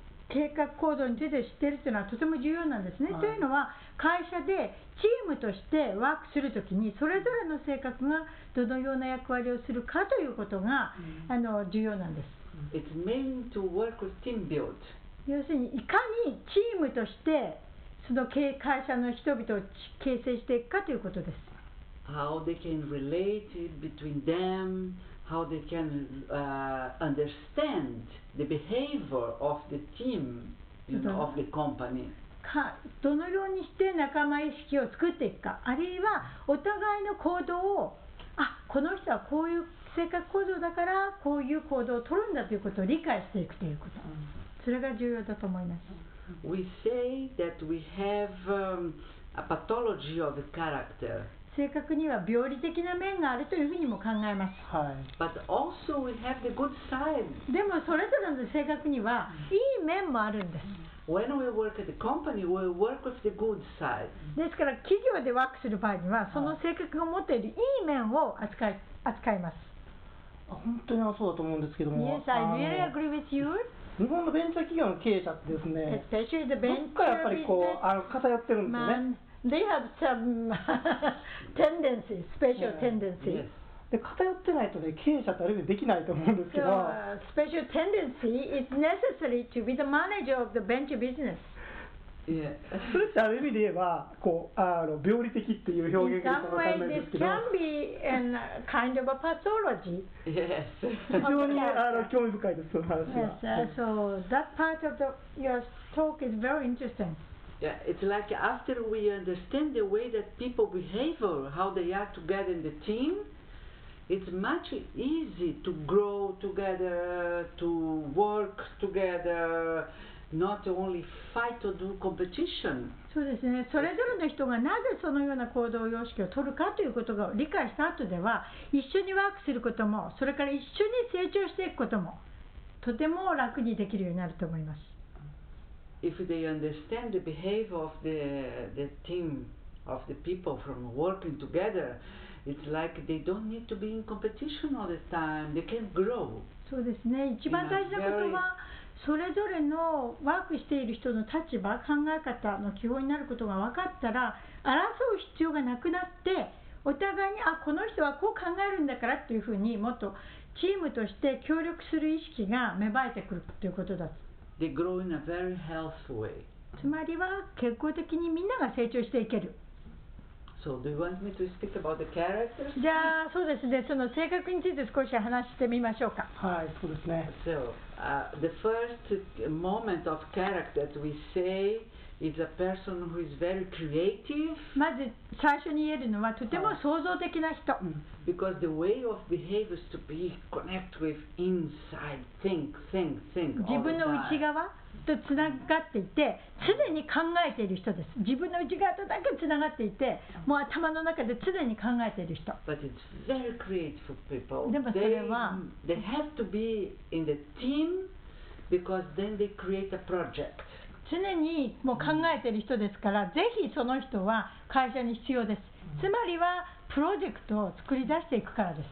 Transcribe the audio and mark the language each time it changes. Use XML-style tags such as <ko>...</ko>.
<ja>計画行動について知っているというのはとても重要なんですね。はい、というのは会社でチームとしてワークするときにそれぞれの性格がどのような役割をするかということが、重要なんです。</ja> <en>It's meant to work with team build.</en> <ja>要するにいかにチームとしてその会社の人々を形成していくかということです。</ja> <en>How they can relate between themHow they can understand the behavior of the team, you know, of the company.</en> <ja>どのようにして仲間意識を作っていくか、あるいはお互いの行動を、この人はこういう性格構造だからこういう行動を取るんだということを理解していくということ。それが重要だと思います。</ja> <en>We say that we have a pathology of the character.</en> <ja>性格には病理的な面があるというふうにも考えます。はい。</ja> <en>But also we have the good side.</en> <ja>でもそれぞれの性格にはいい面もあるんです。</ja> <en>When we work at the company, we work with the good side.</en> <ja>ですから企業でワークする場合にはその性格が持っているいい面を扱います。本当にそうだと思うんですけども。</ja> <en>Yes, I really agree with you.</en> <ja>日本のベンチャー企業の経営者ってですね、</ja> <en>Especially the venture</en> <ja>どっかやっぱりこう偏ってるんですよね。</ja> <en>They have some tendencies, special tendencies. Yeah. Yes.</en> <ja>で偏ってないとね、経営者ってある意味できないと思うんですけど。</ja> <en>So, special tendency is necessary to be the manager of the venture business. Yeah.</en> <ja>それってある意味で言えば、こう病理的っていう表現がわかんないんですけど。</ja> <en>In some way, this can be a kind of a pathology. Yes.</en> <ja>非常に興味深いですその話は。</ja> <en>Yes. So that part of your talk is very interesting. Yeah, it's like after we understand the way that people behave or how they are together in the team, it's much easier to grow together, to work together, not only fight or do competition.</en> <ja>そうですね。それぞれの人がなぜそのような行動様式を取るかということを理解した後では、一緒にワークすることも、それから一緒に成長していくことも、とても楽にできるようになると思います。</ja> <en>If they understand the behavior of the team of the people from working together, it's like they don't need to be in competition all the time. They can grow.</en> <ja>そうですね。一番大事なことはそれぞれのワークしている人の立場、考え方の基本になることが分かったら、争う必要がなくなって、お互いにこの人はこう考えるんだからというふうにもっとチームとして協力する意識が芽生えてくるということだと。</ja> <en>They grow in a very healthy way.</en> <ja>つまりは結果的にみんなが成長していける。</ja> <en>So, do you want me to speak about the character?</en> <ja>じゃあそうですね、その性格について少し話してみましょうか。はい、そうですね。</ja> <en>So, the first moment of character that we say is a person who is very creative.</en> <ja>まず最初に言えるのはとても創造的な人。</ja> <en>Because the way of behavior is to be connect with inside, think.</en> <ja>自分の内側とつながっていて常に考えている人です。自分の内側とだけつながっていてもう頭の中で常に考えている人。</ja> <en>But it's very creative people.</en> <ja>でもそれは</ja> <en>they have to be in the team because then they create a project.</en> <ja>常にもう考えている人ですから、ぜひその人は会社に必要です。つまりはプロジェクトを作り出していくからです。</ja>